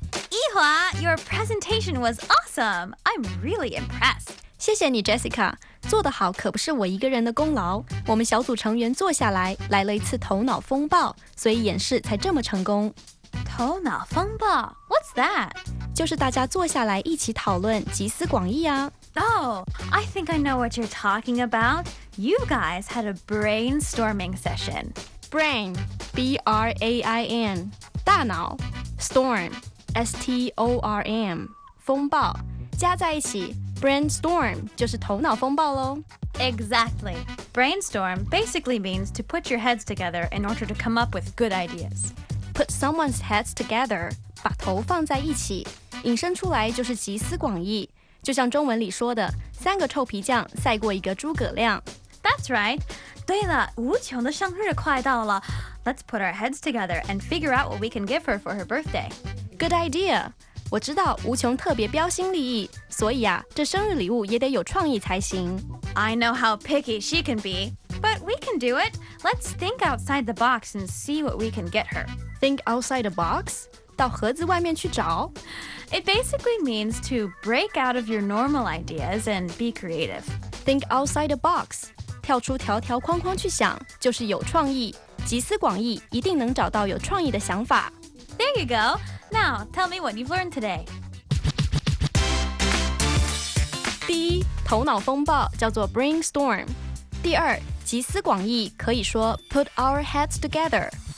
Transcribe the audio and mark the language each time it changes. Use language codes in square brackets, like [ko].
[en] 易华 ，Your presentation was awesome. I'm really impressed. [zh] 谢谢你 ，Jessica。做得好可不是我一个人的功劳，我们小组成员坐下来来了一次头脑风暴，所以演示才这么成功。 [en] 头脑风暴 ？What's that？ [zh] 就是大家坐下来一起讨论，集思广益啊。 [en] Oh, I think I know what you're talking about. You guys had a brainstorming session. [zh] Brain, B-R-A-I-N, 大脑 Storm, S-T-O-R-M, 风暴加在一起 brainstorm 就是头脑风暴咯。 [en] Exactly. Brainstorm basically means to put your heads together in order to come up with good ideas. Put someone's heads together, [zh] 把头放在一起引申出来就是集思广益，就像中文里说的，三个臭皮匠赛过一个诸葛亮。 [en] That's right. [zh] 对了，无穷的生日快到了 [en] ，Let's put our heads together and figure out what we can give her for her birthday. Good idea. [zh] 我知道无穷特别标新立异，所以啊，这生日礼物也得有创意才行。 [en] I know how picky she can be, but we can do it. Let's think outside the box and see what we can get her. Think outside the box? [zh] 到盒子外面去找 [en] It basically means to break out of your normal ideas and be creative. Think outside the box. [zh] 跳出条条框框去想，就是有创意，集思广益，一定能找到有创意的想法。 [en] There you go. Now, tell me what you've learned today. [zh] 第一，头脑风暴叫做 brainstorm. 第二，集思广益可以说 put our heads together.